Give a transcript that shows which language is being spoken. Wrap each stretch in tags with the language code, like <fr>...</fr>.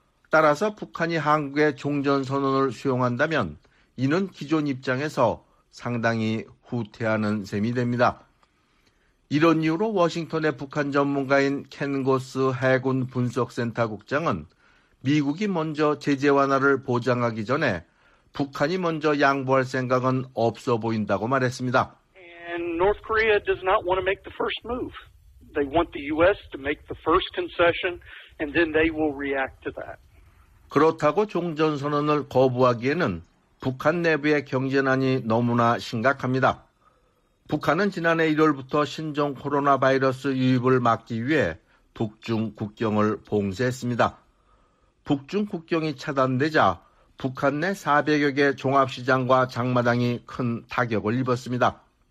<ko>따라서 북한이 한국의 종전선언을 수용한다면 이는 기존 입장에서 상당히 후퇴하는 셈이 됩니다. 이런 이유로 워싱턴의 북한 전문가인 켄고스 해군 분석센터 국장은 미국이 먼저 제재 완화를 보장하기 전에 북한이 먼저 양보할 생각은 없어 보인다고 말했습니다.</ko> <en>And North Korea does not want to make the first move. They want the U.S. to make the first concession, and then they will react to that.</en> <ko>그렇다고 종전선언을 거부하기에는 북한 내부의 경제난이 너무나 심각합니다. 북한은 지난해 1월부터 신종 코로나 바이러스 유입을 막기 위해 북중 국경을 봉쇄했습니다. 북중 국경이 차단되자 북한 내 400여 개 종합시장과 장마당이 큰 타격을 입었습니다.</ko>